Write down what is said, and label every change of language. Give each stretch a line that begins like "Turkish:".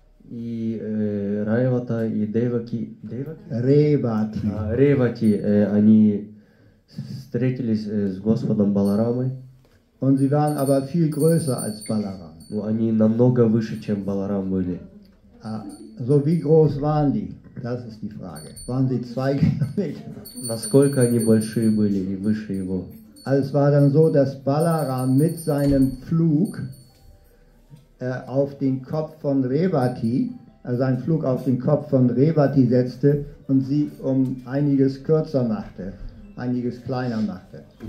Russian: И Raivata и Devaki, Revati. Revati, они встретились с Господом Баларамой.
German: Und sie waren aber viel größer als Balaram.
Russian: Ну, они намного выше, чем Баларам были.
German: So, wie groß waren die? Das ist die Frage. Waren sie 2 Kilometer?
Russian: Насколько они большие были и выше его?
German: Also es war dann so, dass Balaram mit seinem Flug auf den Kopf von Revati, also einen Flug auf den Kopf von Revati setzte und sie um einiges kürzer machte, einiges kleiner machte.